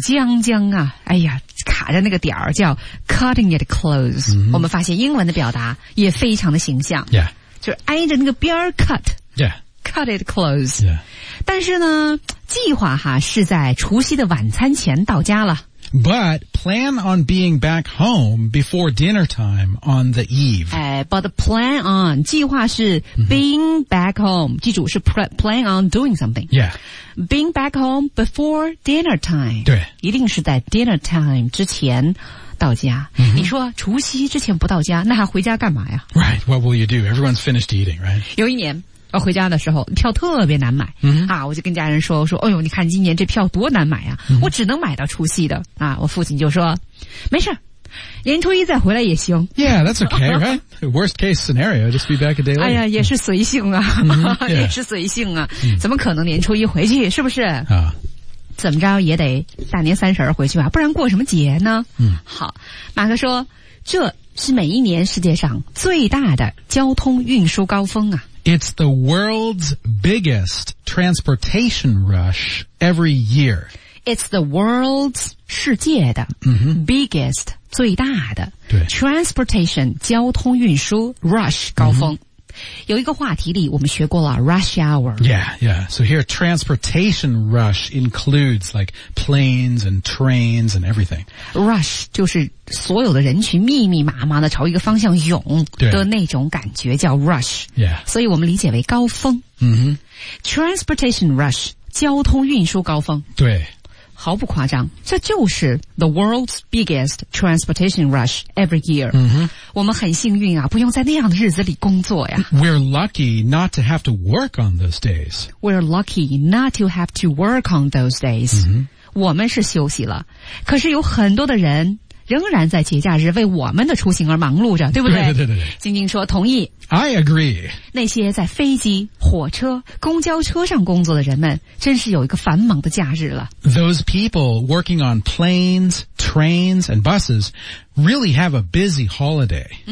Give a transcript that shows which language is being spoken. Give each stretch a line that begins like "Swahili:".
Chinese: 将将啊，哎呀。卡着那个点儿叫
English: cutting it close、
Chinese: 我们发现英文的表达也非常的形象、
English: yeah.
Chinese: 就是挨着那个边儿 cut、
English: yeah. cut it close、 yeah.
Chinese: 但是呢计划哈是在除夕的晚餐前到家了
English: but plan on being back home before dinner time on the eve、 but plan on
Chinese: 计划是
English: being back home
Chinese: 记住是
English: plan on doing something、 yeah. Being back home before dinner time.
Chinese: 对。一定是在 dinner time 之前到家。你说除夕之前不到家那还回家干嘛呀
English: Right, what will you do? Everyone's finished eating, right?
Chinese: 有一年我回家的时候票特别难买。我就跟家人说哎呦你看今年这票多难买呀、我只能买到除夕的。我父亲就说没事年初一再回来也行。
English: Yeah, that's okay, right? Worst case scenario, just be back a day later.
Chinese: 哎呀，也是随性啊，也是随性啊，怎么可能年初一回去，是不是？怎么着也得大年三十回去吧，不然过什么节呢？好，马克说，这是每一年世界上最大的交通运输高峰啊。
English: It's the world's biggest transportation rush every year. It's the world's
Chinese: 世界的、
English: biggest
Chinese: 最大的对 transportation 交通运输 rush 高峰、有一个话题里我们学过了 rush hour.
English: Yeah, yeah. So here, transportation rush includes like planes and trains and everything.
Chinese: Rush 就是所有的人群密密麻麻的朝一个方向涌的那种感觉叫 rush.
English: Yeah.
Chinese: 所以我们理解为高峰。 Mm-hmm. Transportation rush, 交通运输高峰。对。毫不夸张，这就是
English: the world's biggest transportation rush every year. Mm-hmm.
Chinese: 我们很幸运啊，不用在那样的日子里工作呀。
English: We're lucky not to have to work on those days. We're lucky not to have to work on those days. Mm-hmm.
Chinese: 我们是休息了，可是有很多的人仍然在节假日为我们的出行而忙碌着，对不对？对对对对。晶晶说同意。
English: I agree.
Chinese: 那些在飞机、火车、公交车上工作的人们真是有一个繁忙的假日了。
English: Those people working on planes, trains, and buses really have a busy holiday.